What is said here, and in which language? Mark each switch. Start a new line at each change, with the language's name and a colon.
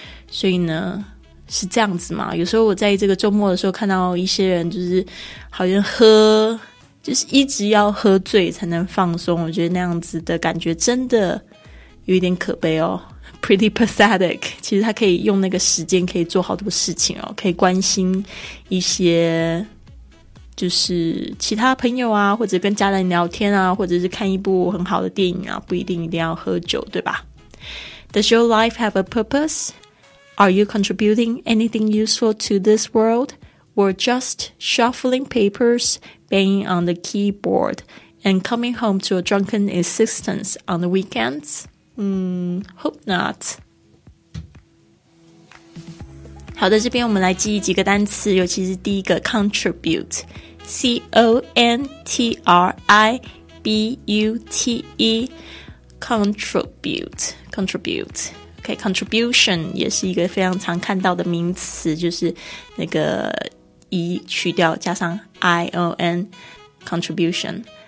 Chinese: 所以呢是这样子嘛，有时候我在这个周末的时候看到一些人就是好像喝就是一直要喝醉才能放松，我觉得那样子的感觉真的有一点可悲哦，
English: pretty pathetic。
Chinese: 其实他可以用那个时间可以做好多事情哦，可以关心一些就是其他朋友啊，或者跟家人聊天啊，或者是看一部很好的电影啊，不一定一定要喝酒，对吧？
English: Does your life have a purpose? Are you contributing anything useful to this world? Or just shuffling papers, banging on the keyboard, and coming home to a drunken existence on the weekends? Hope not.
Chinese: 好的，这边我们来记忆几个单词，尤其是第一个 contribute, C-O-N-T-R-I-B-U-T-E, contribute, contribute. Okay, contribution 也是一个非常常看到的名词，就是那个 E 去掉加上 I-O-N, contribution.